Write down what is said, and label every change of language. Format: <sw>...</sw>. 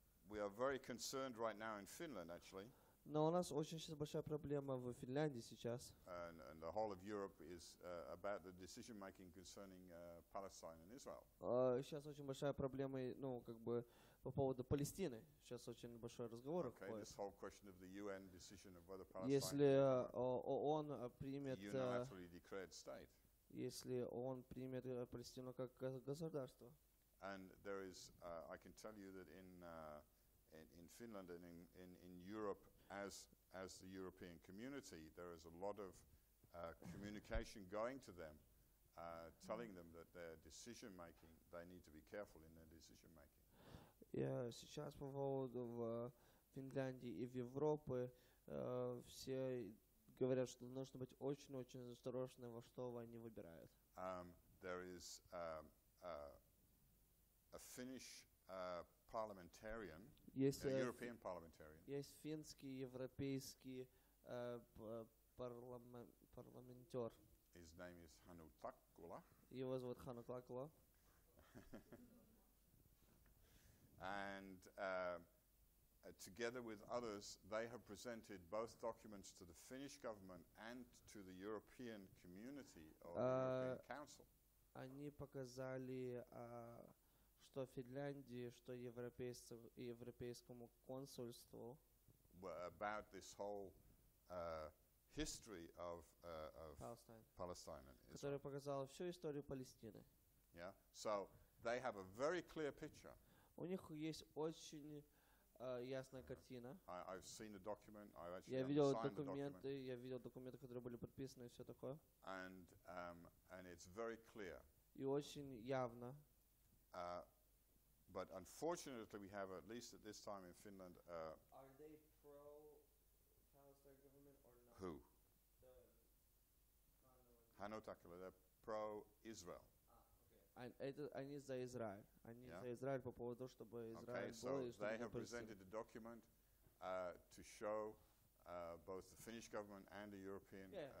<en>We are very concerned right now in Finland, actually.</en> <ru>Но у нас очень сейчас большая проблема в Финляндии сейчас.</ru> <en>And the whole of Europe is about the decision making concerning Palestine and Israel.</en> <ru>Сейчас очень большая проблема, ну, как бы по поводу Палестины. Сейчас очень большой разговор</ru> <en>okay,</en> <ru>ходит.</ru> <en>This whole question of the UN decision of whether Palestine.</en> <ru>Если ООН примет</ru> <en>unilaterally declared state.</en> <ru>Если ООН примет Палестину как государство.</ru> <en>And there is I can tell you that in Finland and in Europe as the European community, there is a lot of communication going to them, telling them that their decision making, they need to be careful in their decision making.</en> <ru>Yeah, сейчас по поводу в Финляндии и в Европе все говорят, что нужно быть очень-очень осторожны во что они выбирают.</ru> <en>There is a Finnish parliamentarian.</en> <ru>Есть</ru> <en>European parliamentarian.</en> <ru>Есть финский европейский парламентер.</ru> <en>His name is Hannu Takkula.</en> <ru>Его зовут Хану Такула.</ru> <en>And together with others, they have presented both documents to the Finnish government and to the European community or the European Council.</en> <ru>Они показали что Финляндии, что европейскому консульству.</ru> <en>About this whole history of Palestine and Israel.</en> <ru>Который показал всю историю Палестины.</ru> <en>Yeah. So they have a very clear picture. У них есть очень ясная картина. I've seen the document. I've actually</en> <ru>я видел документы, которые были подписаны и все такое.</ru> <en>And it's very clear.</en> <ru>И очень явно.</ru> <en>But unfortunately, we have at least at this time in Finland. Are they pro-Palestine government or not? Who? The Ханутакала, they're pro-Israel.</en> <ru>Они за Израиль. Они за Израиль по поводу того, чтобы Израиль был и чтобы не</ru> <en>They have presented a document to show both the Finnish government and the European...</en>